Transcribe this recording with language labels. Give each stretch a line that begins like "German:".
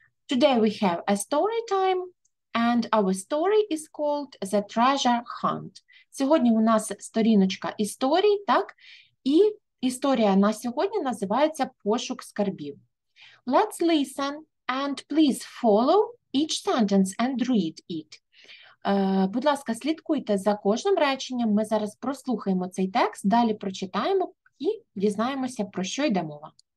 English: Today we have a story time, and our story is called The Treasure Hunt.
Ukrainian: Сьогодні у нас сторіночка історій, так? І історія на сьогодні називається «Пошук скарбів».
English: Let's listen and please follow each sentence and read it.
Ukrainian: Будь ласка, слідкуйте за кожним реченням. Ми зараз прослухаємо цей текст, далі прочитаємо і дізнаємося, про що йде мова.